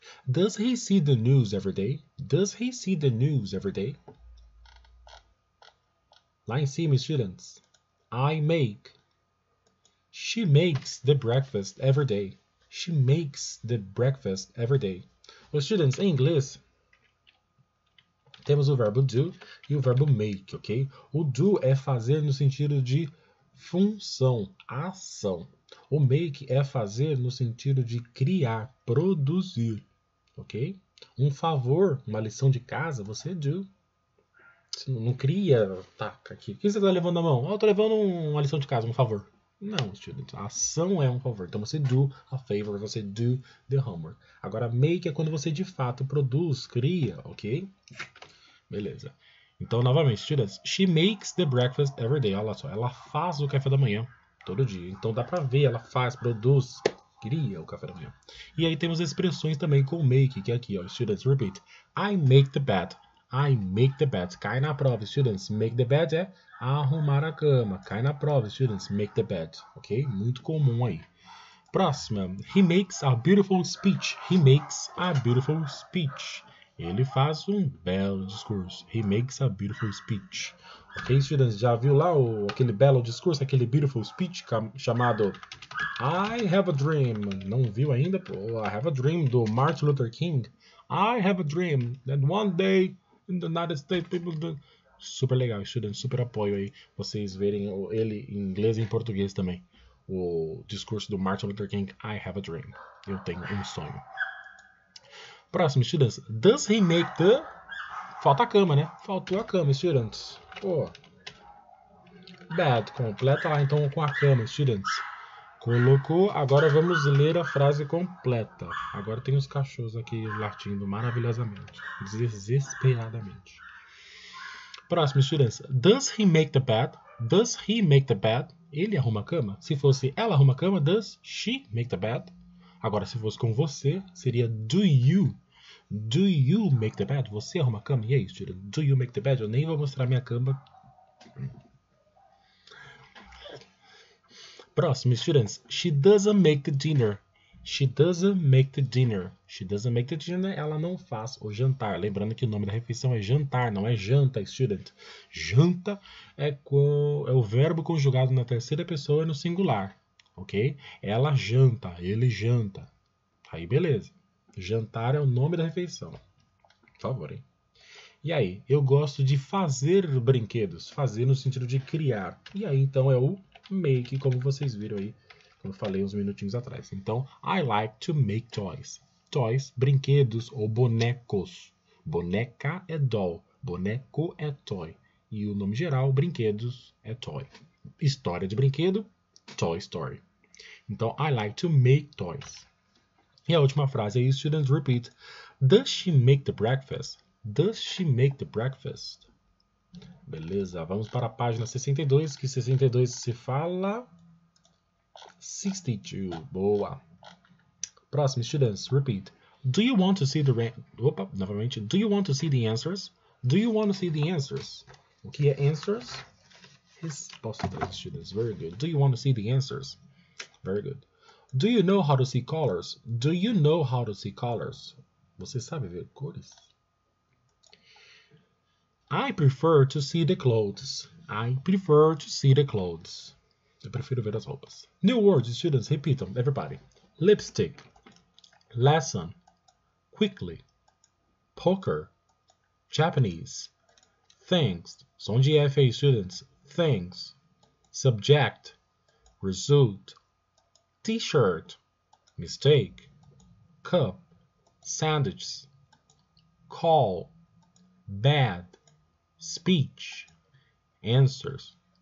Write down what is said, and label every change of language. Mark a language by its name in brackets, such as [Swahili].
[English] Does he see the news every day? Does he see the news every day? [Portuguese] Lá em cima, [English] students. I make. She makes the breakfast every day. She makes the breakfast every day. Well, students, [Portuguese] em inglês, temos o verbo do e o verbo make, ok? O do é fazer no sentido de função, ação. O make é fazer no sentido de criar, produzir, ok? Um favor, uma lição de casa, você do. Você não cria, taca aqui. O que você está levando na mão? Oh, eu estou levando uma lição de casa, um favor. Não, student. A ação é um favor. Então, você do a favor, você do the homework. Agora, make é quando você, de fato, produz, cria, ok? Beleza. Então, novamente, students. [English] She makes the breakfast every day. [Portuguese] Olha só, ela faz o café da manhã todo dia. Então, dá para ver, ela faz, produz, cria o café da manhã. E aí, temos expressões também com make, que é aqui, ó. [English] Students, repeat. I make the bed. I make the bed. [Portuguese] Cai na prova, students. Make the bed é arrumar a cama. Cai na prova, students. [English] Make the bed. [Portuguese] Ok? Muito comum aí. Próxima. [English] He makes a beautiful speech. He makes a beautiful speech. [Portuguese] Ele faz um belo discurso. [English] He makes a beautiful speech. Ok, students? [Portuguese] Já viu lá aquele belo discurso, aquele [English] beautiful speech chamado I have a dream. [Portuguese] Não viu ainda? [English] I have a dream do Martin Luther King. I have a dream that one day in the United States, people do. [Portuguese] Super legal, students, super apoio aí vocês verem ele em inglês e em português também. O discurso do Martin Luther King, [English] I have a dream. [Portuguese] Eu tenho um sonho. Próximo, students. [English] Does he make the... [Portuguese] Falta a cama, né? Faltou a cama, students. Pô. Bad. Completa lá, então, com a cama, students. Colocou. Agora vamos ler a frase completa. Agora tem os cachorros aqui latindo maravilhosamente. Desesperadamente. Próximo, students. [English] Does he make the bed? Does he make the bed? [Portuguese] Ele arruma a cama? Se fosse ela arruma a cama, [English] does she make the bed? [Portuguese] Agora, se fosse com você, seria [English] do you. Do you make the bed? [Portuguese] Você arruma a cama? E aí, student? [English] Do you make the bed? [Portuguese] Eu nem vou mostrar minha cama. Próximo, students. [English] She doesn't make the dinner. She doesn't make the dinner. She doesn't make the dinner. [Portuguese] Ela não faz o jantar. Lembrando que o nome da refeição é jantar, não é janta, student. Janta é o verbo conjugado na terceira pessoa e no singular. Ok? Ela janta. Ele janta. Aí, beleza. Jantar é o nome da refeição. Por favor, hein? E aí, eu gosto de fazer brinquedos. Fazer no sentido de criar. E aí, então, é o make, como vocês viram aí, como eu falei uns minutinhos atrás. [English] Então, I like to make toys. [Portuguese] Toys, brinquedos ou bonecos. Boneca é doll. Boneco é toy. E o nome geral, brinquedos, é toy. História de brinquedo, toy story. Então, [English] I like to make toys. [Portuguese] E a última frase aí, students repeat. [English] Does she make the breakfast? Does she make the breakfast? [Portuguese] Beleza, vamos para a página 62, que 62 se fala 62. Boa. Próximo, students, repeat. [English] Do you want to see the [Portuguese] Opa, novamente. [English] Do you want to see the answers? Do you want to see the answers? [Portuguese] O que é answers? Resposta, [English] students. Very good. Do you want to see the answers? Very good. Do you know how to see colors? Do you know how to see colors? [Portuguese] Você sabe ver cores? [English] I prefer to see the clothes. I prefer to see the clothes. [Portuguese] Eu prefiro ver as roupas. [English] New words, students. Repeat them, everybody. Lipstick. Lesson. Quickly. Poker. Japanese. Thanks. Som de F aí, students. Thanks. Subject. Result. T-shirt. Mistake. Cup. Sandwiches. Call. Bad. Speech. Answers.